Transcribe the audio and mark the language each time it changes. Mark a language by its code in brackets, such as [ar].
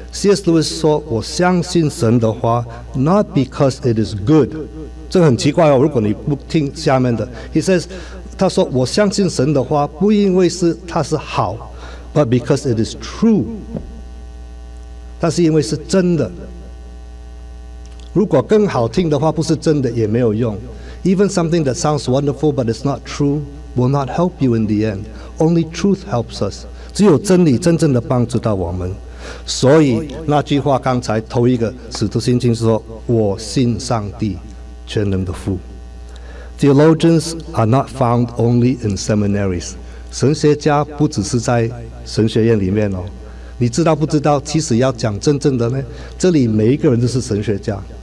[zh] C.S. Lewis 说，我相信神的话， [en] not because it is good. [zh] 这很奇怪哦，如果你不听下面的。 [en] He says, [zh] 他说，我相信神的话，不因为是它是好， [en] but because it is true. [zh] 但是因为是真的。如果更好听的话不是真的也没有用。 [en] Even something that sounds wonderful but it's not true will not help you in the end. Only truth helps us. [zh] 只有真理真正的帮助到我们。所以那句话刚才头一个使徒信经说我信上帝全能的父。 [en] Theologians are not found only in seminaries. [zh] 神学家不只是在神学院里面哦。你知道不知道其实要讲真正的呢这里每一个人都是神学家。